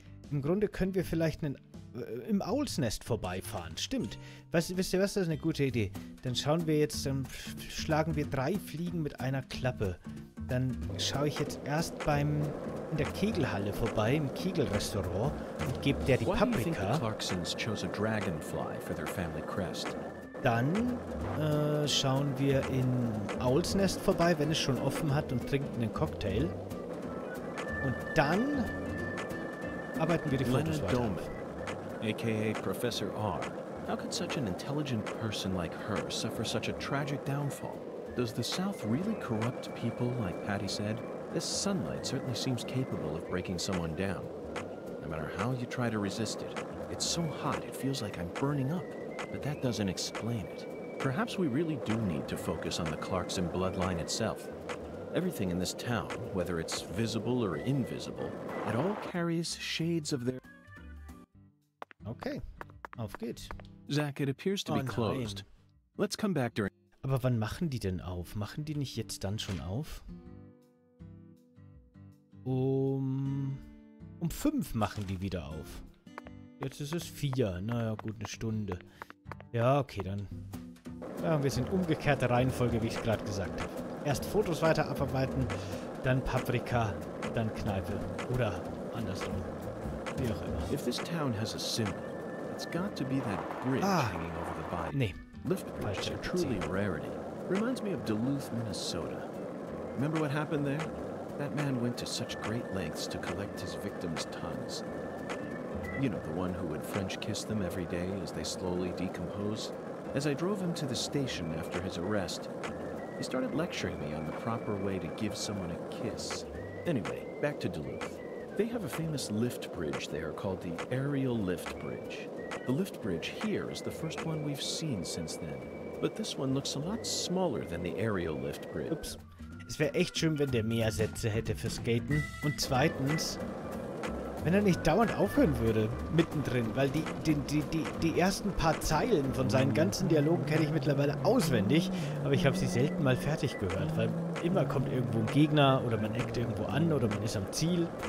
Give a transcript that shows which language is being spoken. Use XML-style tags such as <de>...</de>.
<de>Im Grunde können wir vielleicht im Owl's Nest vorbeifahren. Stimmt. Wisst ihr was, das ist eine gute Idee. Dann schauen wir jetzt, dann schlagen wir 3 Fliegen mit einer Klappe. Dann schaue ich jetzt erst in der Kegelhalle vorbei, im Kegelrestaurant, und gebe der die Paprika.</de> <en>Clarksons chose a dragonfly for their family crest.</en> <de>Dann schauen wir in Owl's Nest vorbei, wenn es schon offen hat, und trinken einen Cocktail. Und dann arbeiten wir die Fotos weiter.</de> <en>Dolman, aka Professor R. How could such an intelligent person like her suffer such a tragic downfall? Does the South really corrupt people, like Patty said? This sunlight certainly seems capable of breaking someone down. No matter how you try to resist it, it's so hot it feels like I'm burning up. But that doesn't explain it. Perhaps we really do need to focus on the Clarkson bloodline itself. Everything in this town, whether it's visible or invisible, it all carries shades of their...</en> <de>Okay. Auf geht's.</de> <en>Zack, it appears to be closed. Let's come back during...</en> <de>Aber wann machen die denn auf? Machen die nicht jetzt dann schon auf? Um 5 machen die wieder auf. Jetzt ist es 4. Naja, gut, eine Stunde. Ja, okay, dann... Ja, wir sind umgekehrte Reihenfolge, wie ich gerade gesagt habe. Erst Fotos weiter abarbeiten, dann Paprika, dann Kneipe. Oder andersrum. Wie auch immer.</de> <en>If this town has a symbol, it's got to be that bridge hanging over the bay.</en> <de>Nee.</de> <en>Lift bridges are truly a rarity. Reminds me of Duluth, Minnesota. Remember what happened there? That man went to such great lengths to collect his victims' tongues. You know, the one who would French kiss them every day as they slowly decompose? As I drove him to the station after his arrest, he started lecturing me on the proper way to give someone a kiss. Anyway, back to Duluth. They have a famous lift bridge there called the Aerial Lift Bridge. The lift bridge here is the first one we've seen since then. But this one looks a lot smaller than the Aerial Lift Bridge. Oops.</en> <de>Es wäre echt schön, wenn der mehr Sätze hätte für Skaten. Und zweitens, wenn er nicht dauernd aufhören würde, mittendrin, weil die ersten paar Zeilen von seinen ganzen Dialogen kenne ich mittlerweile auswendig, aber ich habe sie selten mal fertig gehört, weil immer kommt irgendwo ein Gegner oder man eckt irgendwo an oder man ist am Ziel.</de>